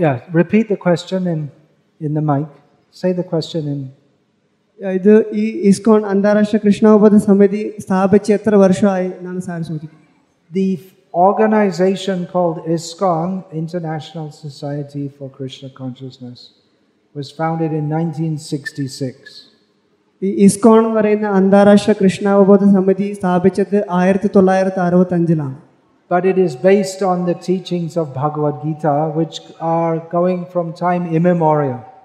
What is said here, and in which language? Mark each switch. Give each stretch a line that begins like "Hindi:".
English: Yeah, repeat the question in the mic. Say the question in.
Malayalam: Yeah, ഇത് ഈ ഇസ്കോൺ അന്താരാഷ്ട്ര കൃഷ്ണോപദ സമിതി സ്ഥാപിച്ച് എത്ര വർഷമായി എന്നാണ് സാർ ചോദിക്കുന്നത്?
English: The organization called ISKCON, International Society for Krishna Consciousness, was founded in 1966.
Malayalam: ISKCON എന്ന് പറയുന്ന അന്താരാഷ്ട്ര കൃഷ്ണാവബോധ സമിതി സ്ഥാപിച്ചത് 1965.
English: But it is based on the teachings of Bhagavad Gita, which are going from time immemorial.